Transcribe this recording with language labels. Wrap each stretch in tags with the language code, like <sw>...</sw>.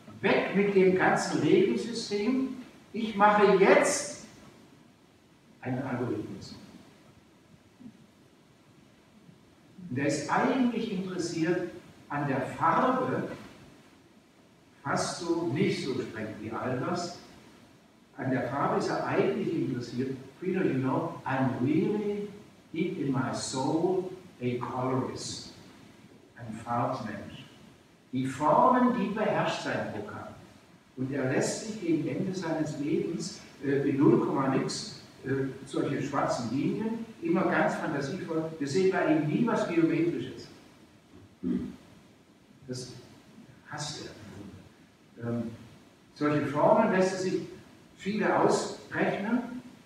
<de>Weg mit dem ganzen Regelsystem. Ich mache jetzt einen Algorithmus. Und er ist eigentlich interessiert an der Farbe, fast so, nicht so streng wie Albers. An der Farbe ist er eigentlich interessiert.</de> <en>Peter, you know, I'm really deep in my soul a colorist.</en> <de>Ein Farbmensch. Die Formen, die beherrscht sein Programm. Und er lässt sich gegen Ende seines Lebens mit 0,nix solche schwarzen Linien immer ganz fantasievoll. Wir sehen bei ihm nie was Geometrisches. Das hasst er. Solche Formen lässt er sich viele ausrechnen.</de>